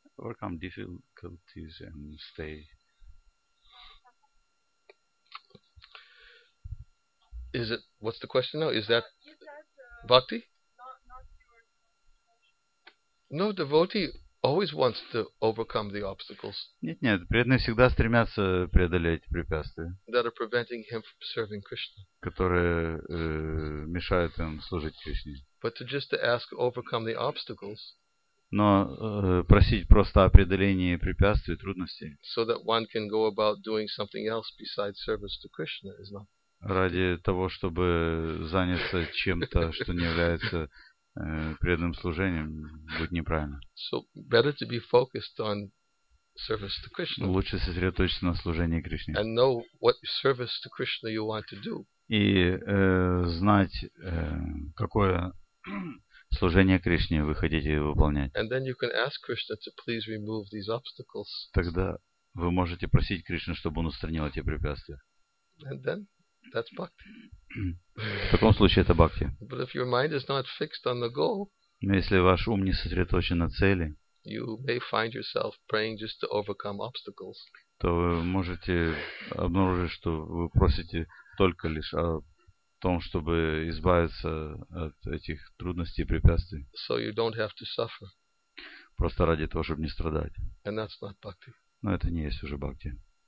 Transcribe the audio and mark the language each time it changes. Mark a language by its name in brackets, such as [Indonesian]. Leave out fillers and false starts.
[English] Overcome difficulties and stay. Is it, what's the question now? Is that bhakti? No, devotee always wants to overcome the obstacles. [Russian] Нет, преданные всегда стремятся преодолеть препятствия. [English] That are preventing him from serving Krishna. [Russian] Которые мешают им служить Кришне. [English] But to just to ask overcome the obstacles. [Russian] Но просить просто о преодолении препятствий, трудностей. [English] So that one can go about doing something else besides service to Krishna is not. [Russian] Ради того, чтобы заняться чем-то, что не является преданным служением, будет неправильно. [English] So better to be focused on service to Krishna. [Russian] Лучше сосредоточиться на служении Кришне. [English] And know what service to Krishna you want to do. [Russian] И знать, какое служение Кришне вы хотите выполнять. [English] And then you can ask Krishna to please remove these obstacles. [Russian] Тогда вы можете просить Кришну, чтобы он устранил эти препятствия. [English] And then that's bhakti. [Russian] В таком случае это бхакти. [English] But if your mind is not fixed on the goal, [Russian] но если ваш ум не сосредоточен на цели, [English] you may find yourself praying just to overcome obstacles. [Russian] То вы можете обнаружить, что вы просите только лишь о том, чтобы избавиться от этих трудностей и препятствий. [English] So you don't have to suffer. [Russian] Просто ради того, чтобы не страдать. [English] And that's not bhakti. [Russian] Но это не есть уже бхакти.